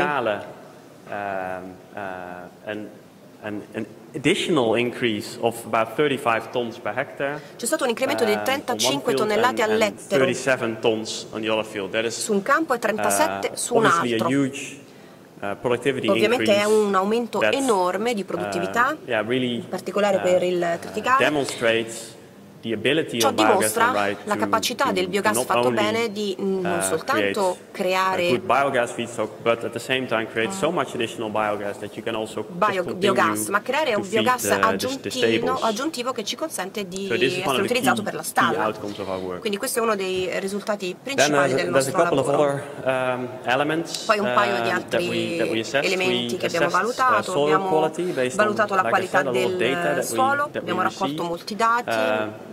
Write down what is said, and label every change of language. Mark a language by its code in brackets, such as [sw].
[it] C'è stato un incremento di 35 tonnellate all'ettaro su un campo e 37 su un altro. Ovviamente è un aumento enorme di produttività, in particolare per il triticale. Ciò dimostra la capacità del biogas fatto bene di non soltanto creare [en] biogas feedstock, but at the same time create so much additional biogas that you can also [it] biogas, ma creare un biogas aggiuntivo che ci consente di essere utilizzato per la stalla. Quindi questo è uno dei risultati principali del nostro lavoro. Poi un paio di altri elementi che abbiamo valutato. Abbiamo valutato la qualità del suolo, abbiamo raccolto molti dati.